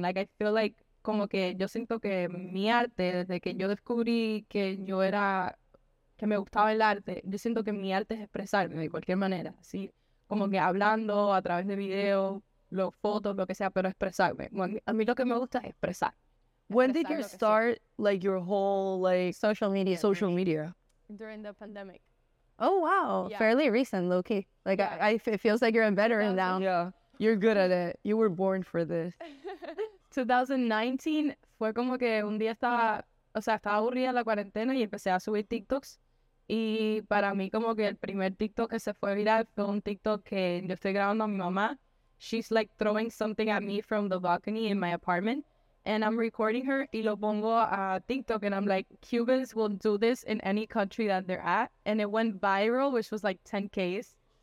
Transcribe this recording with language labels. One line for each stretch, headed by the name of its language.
English: Like, I feel like,
Spanish: como que yo siento que mi arte, desde que yo descubrí que yo era, que me gustaba el arte, yo siento que mi arte es expresarme de cualquier manera, ¿sí? Como que hablando a través de video, los fotos, lo que sea, pero expresarme. A mí lo que me gusta es expresar.
English: When did you start, like, your whole, like, social media? During the pandemic. Oh, wow. Yeah. Fairly recent, low-key. Like, it feels like you're a veteran now. Yeah. You're good at it. You were born for this.
Spanish: 2019 fue como que un día estaba aburrida la cuarentena y empecé a subir TikToks. Y para mí como que el primer TikTok que se fue viral fue un TikTok que yo estoy grabando a mi mamá.
English: She's like throwing something at me from the balcony in my apartment. And I'm recording her
Spanish: y lo pongo a TikTok
English: and I'm like, Cubans will do this in any country that they're at. And it went viral, which was like 10K's.